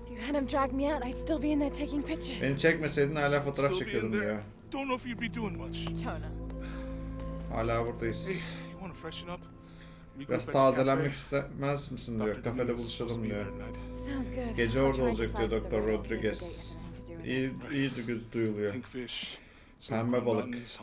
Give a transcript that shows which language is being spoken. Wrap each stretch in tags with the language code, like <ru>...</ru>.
<en>Adam dragged me out. I'd still be in there taking pictures.</en> <tr>Beni çekmeseydin hala fotoğraf çekiyordum ya.</tr> <en>Don't know if you'd be doing much. Jonah.</en> <tr>Hala buradayız.</tr> <en>Hey, you wanna freshen up?</en> <tr>Biraz tazelenmek istemez misin diyor. Kafede buluşalım diyor.</tr> <en>Sounds good.</en> <tr>Gece orada olacak diyor Dr. Rodriguez. İyi duyuluyor. Pembe balık.</tr>